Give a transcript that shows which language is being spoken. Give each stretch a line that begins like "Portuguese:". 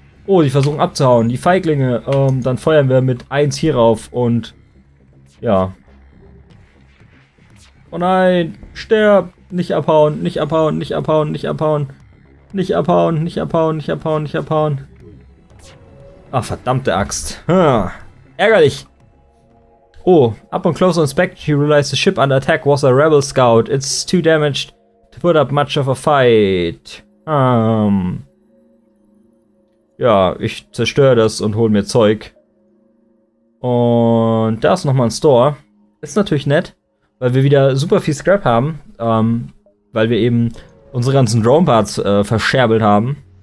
German: Oh, die versuchen abzuhauen. Die Feiglinge. Dann feuern wir mit 1 hierauf und... Ja. Oh nein! Sterbt! Nicht abhauen, nicht abhauen, nicht abhauen, nicht abhauen. Nicht abhauen, nicht abhauen, nicht abhauen, nicht abhauen. Ach, verdammte Axt. Ärgerlich.
English: Oh, up on close inspection, you realize the ship under attack was a rebel scout. It's too damaged to put up much of a fight.
German: Ja, ich zerstöre das und hol mir Zeug. Und da ist nochmal ein Store. Ist natürlich nett, weil wir wieder super viel Scrap haben. Weil wir eben unsere ganzen Drone Parts verscherbelt haben.